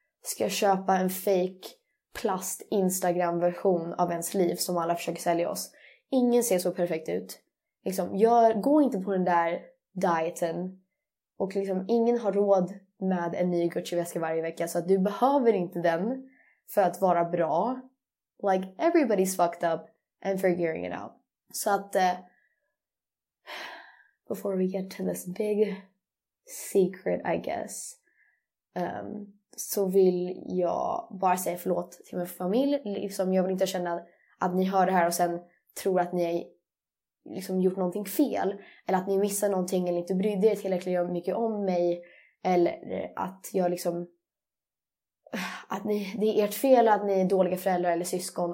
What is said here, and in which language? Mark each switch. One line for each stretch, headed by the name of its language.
Swedish: Ska jag köpa en fake plast Instagram-version av ens liv som alla försöker sälja oss? Ingen ser så perfekt ut. Liksom, gå inte på den där dieten. Och liksom, ingen har råd med en ny Gucci-väska varje vecka. Så att du behöver inte den för att vara bra.
English: Like, everybody's fucked up and figuring it out.
Swedish: Så att,
English: before we get to this big secret, I guess.
Swedish: Så vill jag bara säga förlåt till min familj. Liksom, jag vill inte känna att ni hör det här och sen tror att ni har liksom gjort någonting fel. Eller att ni missar någonting eller inte brydde er tillräckligt mycket om mig. Eller att jag liksom... Att ni, det är ert fel att ni är dåliga föräldrar eller syskon.